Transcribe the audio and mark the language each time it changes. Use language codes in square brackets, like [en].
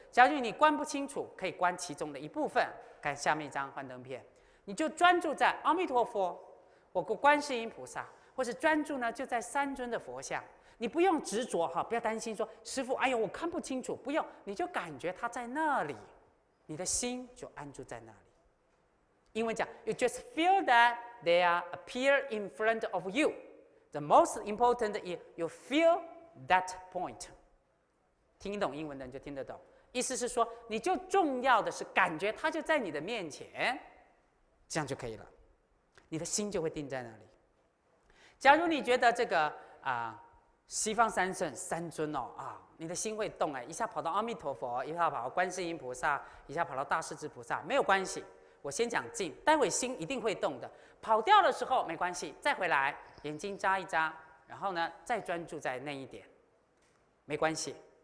[zh] 假如你观不清楚，可以观其中的一部分，看下面一张幻灯片，你就专注在阿弥陀佛，我过观世音菩萨，或是专注呢就在三尊的佛像，你不用执着哈，不要担心说师父哎呦我看不清楚，不用，你就感觉他在那里，你的心就安住在那里。英文讲 [en] You just feel that they are appear in front of you. The most important is you feel that point. [zh] 听懂英文的你就听得懂，意思是说你就重要的是感觉他就在你的面前，这样就可以了，你的心就会定在那里。假如你觉得这个西方三圣三尊哦啊，你的心会动，一下跑到阿弥陀佛，一下跑到观世音菩萨，一下跑到大势至菩萨，没有关系，我先讲静，待会心一定会动的，跑掉的时候没关系，再回来眼睛眨一眨，然后呢再专注在那一点，没关系。